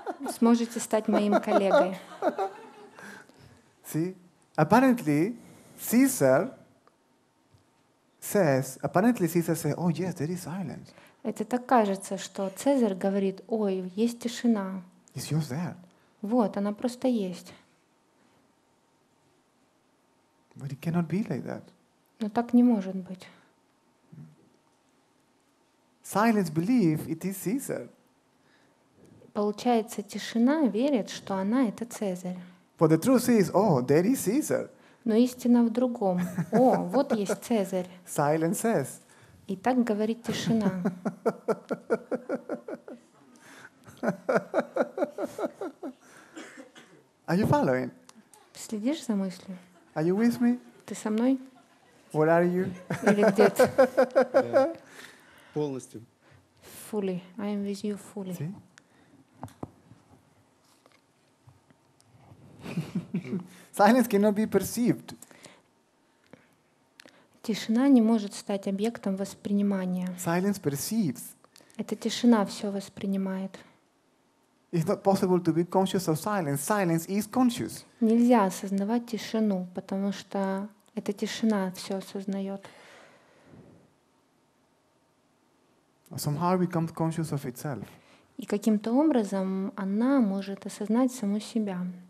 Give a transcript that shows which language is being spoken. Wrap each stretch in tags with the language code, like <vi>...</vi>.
<ru>Сможете стать моим коллегой.</ru> <en>See, apparently Caesar says, oh yes, there is silence.</en> <ru>Это так кажется, что Цезарь говорит, ой, есть тишина.</ru> <en>It's yours there.</en> <ru>Вот, она просто есть.</ru> <en>But it cannot be like that.</en> <ru>Но так не может быть.</ru> <en>Silence believes it is Caesar.</en> <ru>Получается, тишина верит, что она это Цезарь.</ru> <en>But the truth is, oh, there is Caesar.</en> <ru>Но истина в другом. О, вот есть Цезарь.</ru> <en>Silence says.</en> <ru>И так говорит тишина.</ru> <en>Are you following?</en> <ru>Следишь за мыслью?</ru> <en>Are you with me?</en> <ru>Ты со мной?</ru> <en>What are you?</en> <ru>Или где ты? Полностью.</ru> <en>Fully. I am with you fully. See? Silence cannot be perceived.</en> <ru>Тишина не может стать объектом воспринимания.</ru> <en>Silence perceives.</en> <ru>Это тишина все воспринимает.</ru> <en>It's not possible to be conscious of silence. Silence is conscious.</en> <ru>Нельзя осознавать тишину, потому что эта тишина все осознает.</ru> <en>Somehow it becomes conscious of itself.</en> <ru>И каким-то образом она может осознать саму себя.</ru>